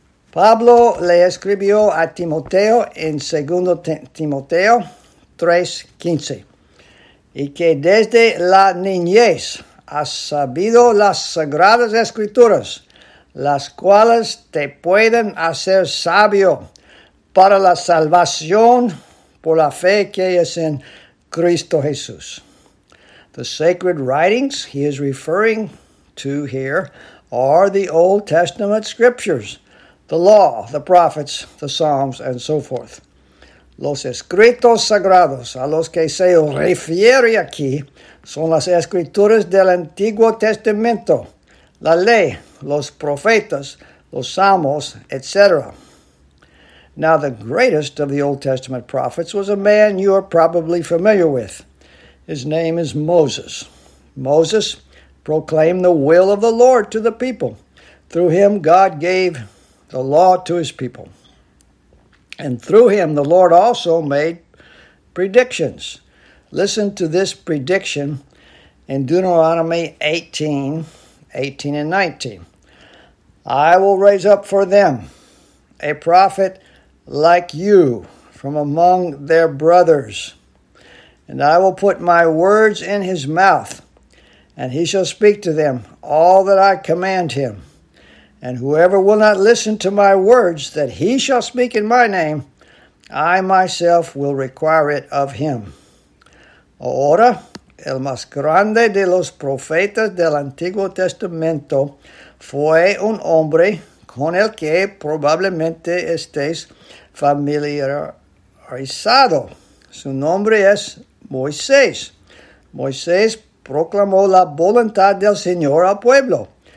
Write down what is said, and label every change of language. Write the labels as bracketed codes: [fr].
[es] Pablo le escribió a Timoteo en 2 Timoteo 3:15, y que desde la niñez has sabido las sagradas escrituras, las cuales te pueden hacer sabio para la salvación por la fe que es en Cristo Jesús. [en] The sacred writings he is referring to here are the Old Testament scriptures, the law, the prophets, the Psalms, and so forth. [es] Los escritos sagrados a los que se refiere aquí son las escrituras del Antiguo Testamento, la ley, los profetas, los salmos, etc. [en] Now, the greatest of the Old Testament prophets was a man you are probably familiar with. His name is Moses. Moses proclaimed the will of the Lord to the people. Through him, God gave the law to his people. And through him, the Lord also made predictions. Listen to this prediction in Deuteronomy 18:18-19. I will raise up for them a prophet like you from among their brothers, and I will put my words in his mouth, and he shall speak to them all that I command him. And whoever will not listen to my words that he shall speak in my name, I myself will require it of him. [es] Ahora, el más grande de los profetas del Antiguo Testamento fue un hombre con el que probablemente estés familiarizado. Su nombre es Moisés. Moisés proclamó la voluntad del Señor al pueblo.